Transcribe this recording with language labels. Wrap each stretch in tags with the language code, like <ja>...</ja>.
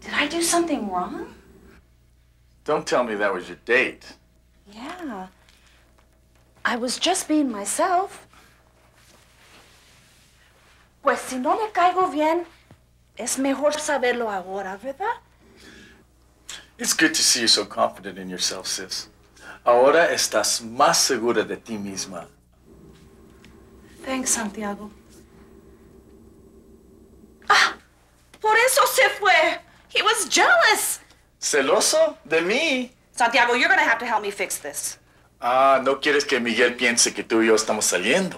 <en>Do something wrong? Don't tell me that was your date. Yeah. I was just being myself.</en> <es>Pues si no le caigo bien, es mejor saberlo ahora, ¿verdad?</es> <en>It's good to see you so confident in yourself, sis.</en> <es>Ahora estás más segura de ti misma.</es> <en>Thanks, Santiago.</en> <es>Ah! Por eso se fue!</es> <en>He was jealous.</en> <es>Celoso de mí.</es> <en>Santiago, you're gonna have to help me fix this.</en> <es>Ah, no quieres que Miguel piense que tú y yo estamos saliendo.</es>